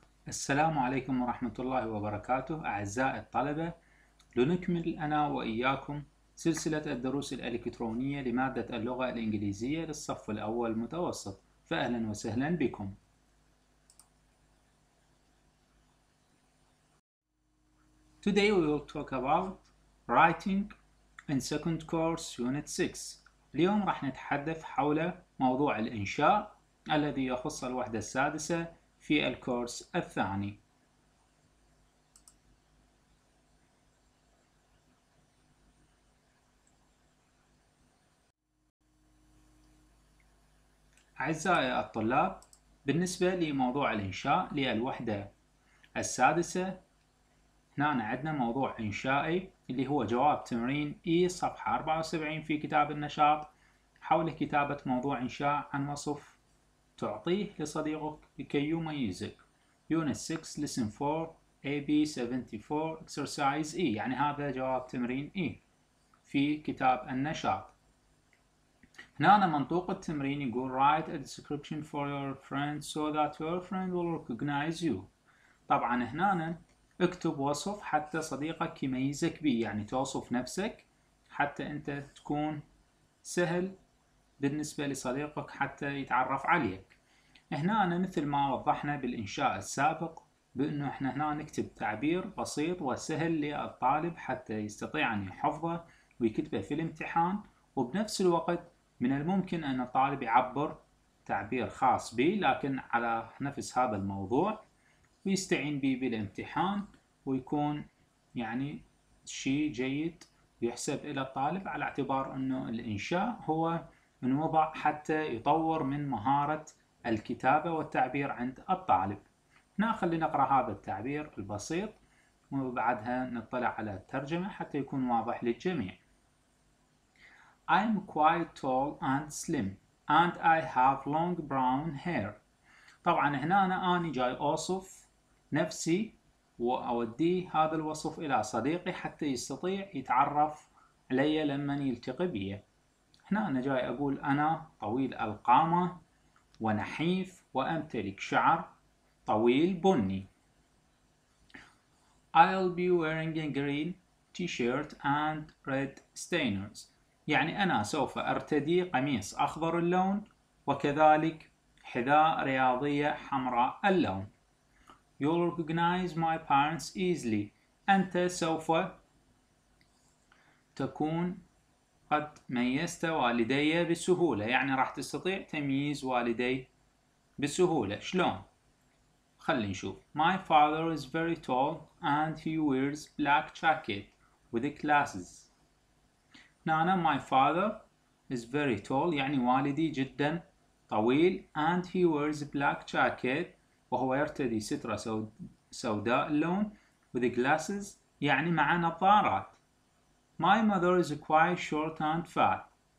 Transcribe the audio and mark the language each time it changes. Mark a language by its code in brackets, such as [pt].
[ar] السلام عليكم ورحمة الله وبركاته أعزائي الطلبة، لنكمل أنا وإياكم سلسلة الدروس الإلكترونية لمادة اللغة الإنجليزية للصف الأول متوسط، فأهلا وسهلا بكم. [en] Today we will talk about writing in second course unit 6. [ar] اليوم راح نتحدث حول موضوع الإنشاء الذي يخص الوحدة السادسة في الكورس الثاني. أعزائي الطلاب، بالنسبة لموضوع الإنشاء للوحدة السادسة، هنا عندنا موضوع إنشائي اللي هو جواب تمرين إي صفحة 74 في كتاب النشاط حول كتابة موضوع إنشاء عن وصف تعطيه لصديقك لكي يميزك. [en] Unit 6 Lesson 4 AB 74 Exercise E، [ar] يعني هذا جواب تمرين E في كتاب النشاط. هنا أنا منطوق التمرين يقول [en] Write a description for your friend so that your friend will recognize you. [ar] طبعا هنا أنا اكتب وصف حتى صديقك يميزك به، يعني توصف نفسك حتى أنت تكون سهل بالنسبة لصديقك حتى يتعرف عليك. هنا أنا مثل ما وضحنا بالإنشاء السابق بأنه إحنا هنا نكتب تعبير بسيط وسهل للطالب حتى يستطيع أن يحفظه ويكتبه في الامتحان، وبنفس الوقت من الممكن أن الطالب يعبر تعبير خاص به لكن على نفس هذا الموضوع ويستعين به بالامتحان ويكون يعني شيء جيد يحسب إلى الطالب، على اعتبار أنه الإنشاء هو نوضع حتى يطور من مهارة الكتابة والتعبير عند الطالب. ناخذ نقرأ هذا التعبير البسيط وبعدها نطلع على الترجمة حتى يكون واضح للجميع. [en] I'm quite tall and slim and I have long brown hair. [ar] طبعا هنا أنا جاي أوصف نفسي وأودي هذا الوصف إلى صديقي حتى يستطيع يتعرف علي لما يلتقي بي. هنا أنا جاي أقول أنا طويل القامة ونحيف وأمتلك شعر طويل بني. [en] I'll be wearing a green t-shirt and red trainers. [ar] يعني أنا سوف أرتدي قميص أخضر اللون وكذلك حذاء رياضية حمراء اللون. [en] You'll recognize my parents easily. [ar] أنت سوف تكون قد ميزت والدي بسهولة، يعني راح تستطيع تمييز والدي بسهولة. شلون؟ خلي نشوف. [en] My father is very tall and he wears black jacket with glasses. [ar] نانا [en] my father is very tall، [ar] يعني والدي جدا طويل. [en] And he wears black jacket، [ar] وهو يرتدي سترة سوداء اللون. [en] With glasses، [ar] يعني مع نظارات. [en] My mother is quite short and fat.